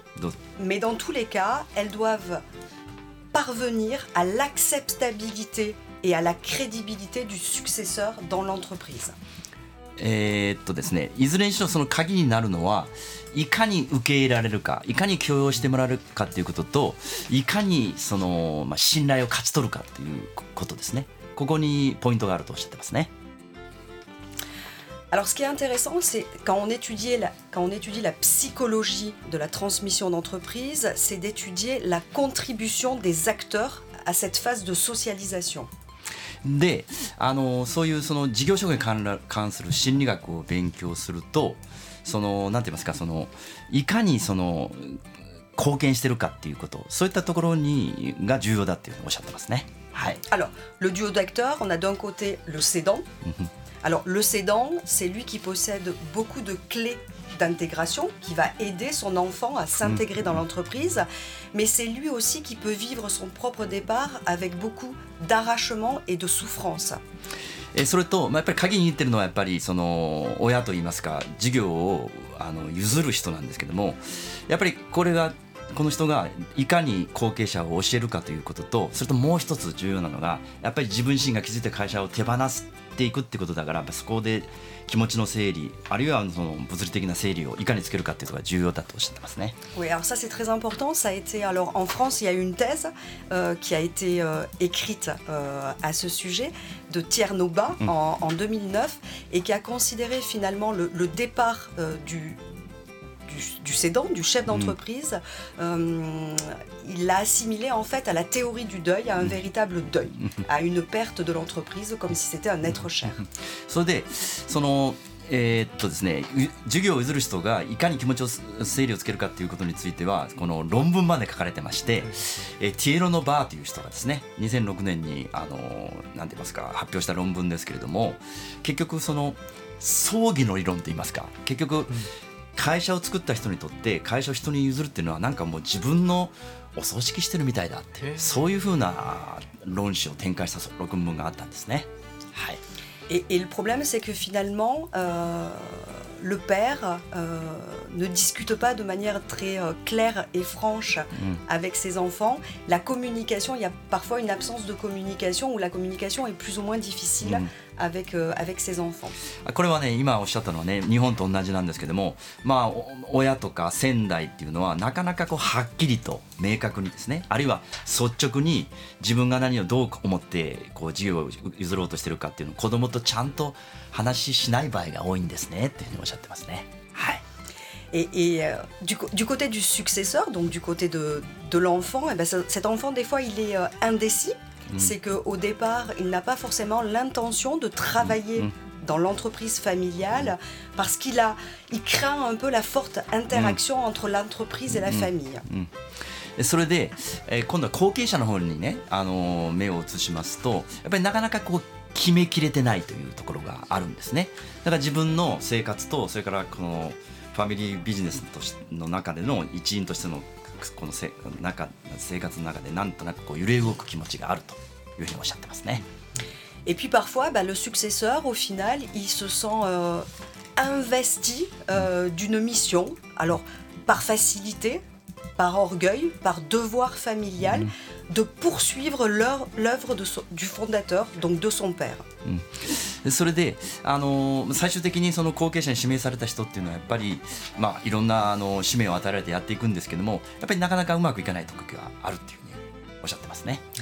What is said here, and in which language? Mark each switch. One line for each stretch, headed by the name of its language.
Japanese: どうぞ。
French: Mais dans tous les cas, elles doivent parvenir à l'acceptabilité et à la crédibilité du successeur dans l'entreprise.
Japanese: ですね、いずれにしろその鍵になるのは、いかに受け入れられるか、いかに許容してもらえるかということと、いかにその、まあ、信頼を勝ち取るかということですね。ここにポイントがあるとおっしゃってますね。
French: Alors, ce qui est intéressant, c'est quand on étudie la psychologie de la transmission d'entreprise, c'est d'étudier la contribution des acteurs à cette phase de socialisation.
Japanese: で、あの、そういうその事業職に関する心理学を勉強すると、その、なんて言いますか、その、いかにその、貢献してるかっていうこと、そういったところにが重要だっていうふうにおっしゃってますね。はい。
French: Alors, le duo d'acteurs, on a d'un côté le cédant. Alors, le cédant, c'est lui qui possède beaucoup de clés d'intégration, qui va aider son enfant à s'intégrer dans l'entreprise. Mais c'est lui aussi qui peut vivre son propre départ avec beaucoup d'arrachement et de souffrance.
Japanese: Et それと、まあ、やっぱり鍵に入ってるのはやっぱりその親といいますか、事業をあの譲る人なんですけども、やっぱりこれが、この人がいかに後継者を教えるかということと、それともう一つ重要なのが、やっぱり自分自身が築いた会社を手放すっていくってことだから、そこで気持ちの整理、あるいはその物理的な整理をいかにつけるかっていうのが重要だとおっしゃってますね。
French: Oui, alors ça c'est très important. Ça a été, alors en France, il y a une thèse qui a été écrite à ce sujet de Thierry Nobat en 2009 et qui a considéré finalement le départ du cédant, du chef d'entreprise, il l'a assimilé en fait à la théorie du deuil, à un véritable deuil, à une perte de l'entreprise comme si c'était un être cher.
Japanese: それで、その、ですね、授業を譲る人がいかに気持ちを整理をつけるかということについては、この論文まで書かれてまして、ティエロノバーという人がですね、2006年にあの、なんて言いますか、発表した論文ですけれども、結局その葬儀の理論と言いますか、結局、会社を作った人にとって会社を人に譲るっていうのはなんかもう自分のお葬式してるみたいだっていう、そういうふうな論旨を展開した論文があったんですね。はい。
French: Et le problème c'est que finalement le père ne discute pas de manière très claire et franche avec ses enfants. La communication, il y a parfois une absence de communication ou la communication est plus ou moins difficile avec ses enfants.
Japanese: これはね、今おっしゃったのはね、日本と同じなんですけども、まあ親とか先代っていうのはなかなかこうはっきりと明確にですね、あるいは率直に自分が何をどう思ってこう事業を譲ろうとしてるかっていうのを子供とちゃんと話しない場合が多いんですねっていうふうにおっしゃってますね。はい。
French: Et du côté du successeur, donc du côté de l'enfant, et ben cet enfant, des fois, il est indécis. Mmh. C'est qu'au départ, il n'a pas forcément l'intention de travailler dans l'entreprise familiale parce qu'il a, il craint un peu la forte interaction entre l'entreprise et la famille.
Japanese: それで、今度は後継者の方にね、目を移しますと、やっぱりなかなかこう決めきれてないというところがあるんですね。だから自分の生活と、それからこのファミリービジネスとしの中での一員としてのこの生活の中で、なんとなくこう揺れ動く気持ちがあるというふうにおっしゃってますね。
French: Et puis parfois, bah, le successeur, au final, il se sent investi d'une mission. Alors, par facilité, par orgueil, par devoir familial, de poursuivre l'œuvre du fondateur, donc de son père.
Japanese: それで、最終的にその後継者に指名された人っていうのはやっぱり、まあ、いろんな使命を与えられてやっていくんですけども、やっぱりなかなかうまくいかない時があるっていうふうにおっしゃってますね。